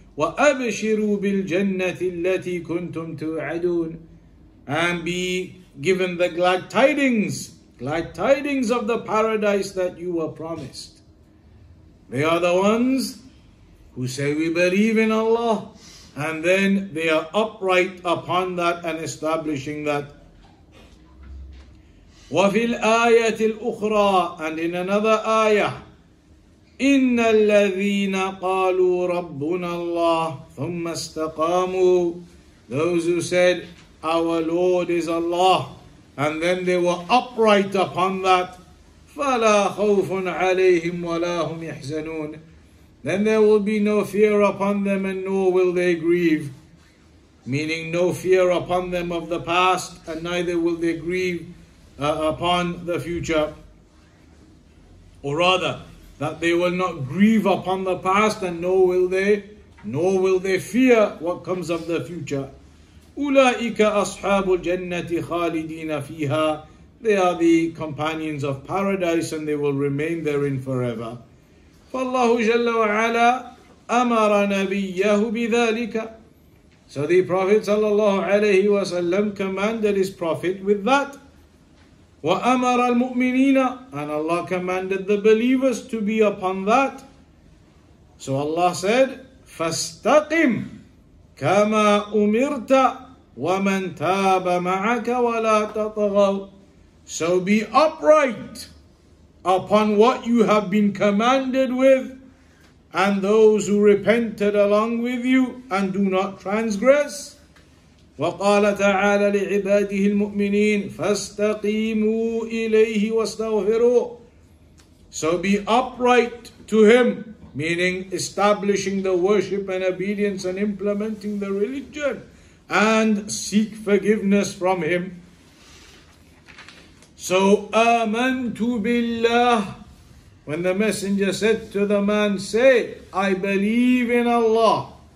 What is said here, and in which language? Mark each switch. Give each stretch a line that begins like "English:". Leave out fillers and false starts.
Arabic: وَأَبْشِرُوا بِالْجَنَّةِ الَّتِي كُنْتُمْ تُوْعَدُونَ,
English: and be given the glad tidings of the paradise that you were promised. They are the ones who say, we believe in Allah, and then they are upright upon that and establishing that.
Arabic: وَفِي الْآيَةِ الْأُخْرَى,
English: and in another ayah,
Arabic: إِنَّ الَّذِينَ قَالُوا رَبُّنَا اللَّهِ ثُمَّ اسْتَقَامُوا.
English: Those who said, our Lord is Allah, and then they were upright upon that.
Arabic: فَلَا خَوْفٌ عَلَيْهِمْ وَلَا هُمْ يَحْزَنُونَ.
English: Then there will be no fear upon them and nor will they grieve. Meaning no fear upon them of the past and neither will they grieve upon the future. Or rather, that they will not grieve upon the past and nor will they fear what comes of the future.
Arabic: أُولَٰئِكَ أَصْحَابُ الْجَنَّةِ خَالِدِينَ فِيهَا.
English: They are the companions of paradise and they will remain therein forever.
Arabic: فَاللَّهُ جَلَّ وَعَلَىٰ أَمَرَ نَبِيَّهُ بِذَٰلِكَ.
English: So the Prophet sallallahu alayhi wa sallam commanded his Prophet with that.
Arabic: وَأَمَرَ الْمُؤْمِنِينَ,
English: and Allah commanded the believers to be upon that. So Allah said,
Arabic: فاستقم كما أمرت ومن تاب معك ولا تطغوا.
English: So be upright upon what you have been commanded with, and those who repented along with you, and do not transgress.
Arabic: وقال تعالى لعباده المؤمنين فاستقيموا إليه واستغفروا.
English: So be upright to him, meaning establishing the worship and obedience and implementing the religion, and seek forgiveness from him. So
Arabic: آمَنْتُ بِاللَّهِ,
English: when the messenger said to the man, say, I believe in Allah.